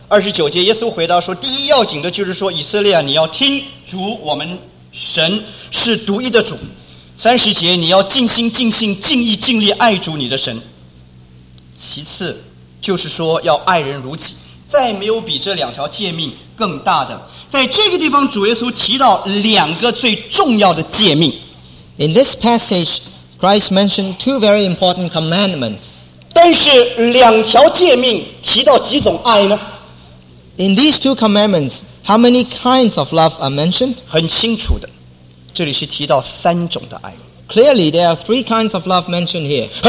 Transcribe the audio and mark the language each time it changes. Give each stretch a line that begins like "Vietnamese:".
Chinese: 29节耶稣回答说：“第一要紧的就是说，以色列你要听主我们神是独一的主。”30节你要尽心尽性尽意尽力爱主你的神。其次， 就是说要爱人如己，再没有比这两条诫命更大的。在这个地方，主耶稣提到两个最重要的诫命。
English: In this passage, Christ mentioned two very important commandments.
Chinese: 但是两条诫命提到几种爱呢?
English: In these two commandments, how many kinds of love are mentioned?
Chinese: 很清楚的，这里是提到三种的爱。
English: Clearly, there are three kinds of love mentioned here.